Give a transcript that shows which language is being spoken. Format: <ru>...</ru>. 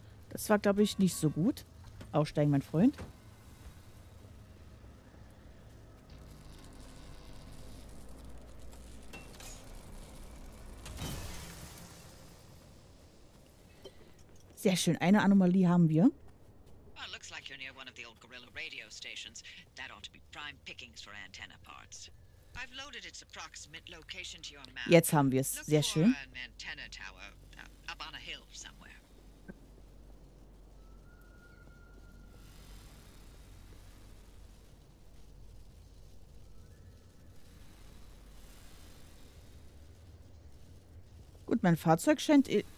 <de>Das war, glaube ich, nicht so gut. Aussteigen, mein Freund. Sehr schön, eine Anomalie haben wir.</de> <en>Looks like you're near one of the old Gorilla radio stations. That ought to be prime pickings for antenna parts. I've loaded its approximate location to your map.</en> <de>Jetzt haben wir es. Sehr schön.</de> <en>An antenna tower, up on a hill somewhere.</en> <de>Gut, mein Fahrzeug scheint...</de>